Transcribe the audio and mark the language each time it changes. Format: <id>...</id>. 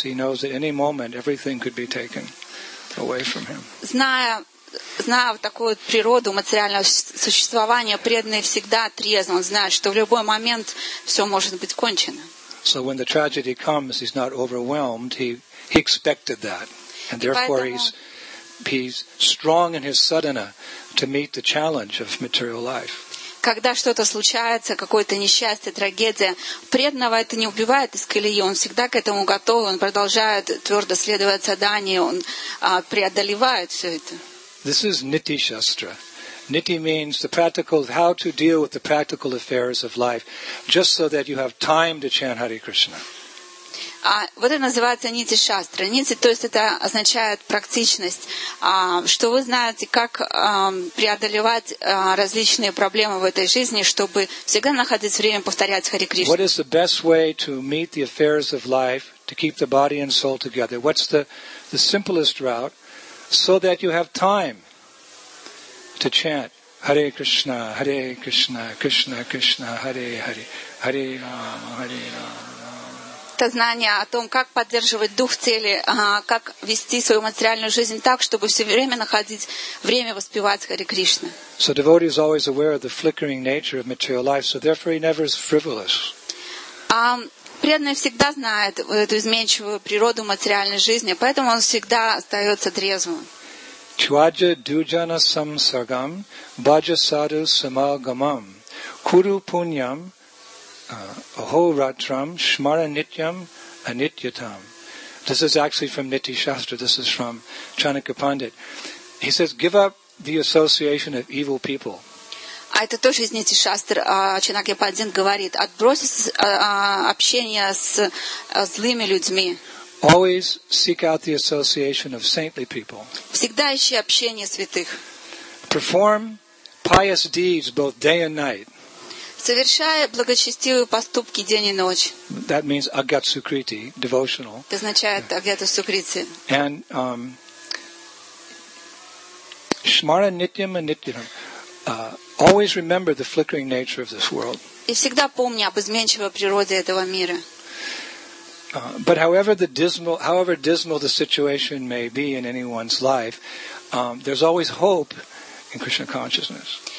<en>He knows that any moment everything could be taken away from him.</en> <ru>Зная вот такую природу материального существования, преданный всегда трезв. Он знает, что в любой момент все может быть кончено.</ru> <en>So when the tragedy comes, he's not overwhelmed. He expected that, and therefore he's strong in his sadhana to meet the challenge of material life.</en> <ru>когда что-то случается, какое-то несчастье, трагедия, преданного это не убивает из колеи, он всегда к этому готов, он продолжает твердо следовать задании, он преодолевает все это.</ru> <en>This is Niti Shastra. Niti means the practical, how to deal with the practical affairs of life, just so that you have time to chant Hare Krishna.</en> <ru>Вот это называется нити шастра. Нити, то есть это означает практичность. Что вы знаете, как преодолевать различные проблемы в этой жизни, чтобы всегда находить время повторять Харе Кришну.</ru> <en>What is the best way to meet the affairs of life, to keep the body and soul together? What's the simplest route so that you have time to chant Hare Krishna, Hare Krishna, Krishna Krishna, Hare Hare, Hare Rama, Hare Rama.</en> <ru>Знание о том, как поддерживать дух цели, как вести свою материальную жизнь так, чтобы все время находить время воспевать Харе Кришна.</ru> <en>So devotee is always aware of the flickering nature of material life, so therefore he never is frivolous.</en> <ru>Преданный всегда знает эту изменчивую природу материальной жизни, поэтому он всегда остается трезвым.</ru> <sa>Чваджа дюджана сам саргам баджа саду самагамам куру пуньям Aho Ratram Shmara Nityam Anityatam.</sa> <en>This is actually from Niti Shastra. This is from Chanaka Pandit. He says, give up the association of evil people.</en> <ru>Это тоже из Нити Шастр. Чанакья Пандит говорит, отбросить общение с злыми людьми.</ru> <en>Always seek out the association of saintly people.</en> <ru>Всегда ищи общение святых.</ru> <en>Perform pious deeds both day and night.</en> <ru>Совершая благочестивые поступки день и ночь.</ru> <en>That means agyata sukriti, devotional.</en> <ru>Это означает агьята сукрити.</ru> <sa>And shmara nityam and nityam.</sa> <en>Always remember the flickering nature of this world.</en> <ru>И всегда помни об изменчивой природе этого мира.</ru> <en>But however dismal the situation may be in anyone's life, there's always hope in Krishna consciousness.</en>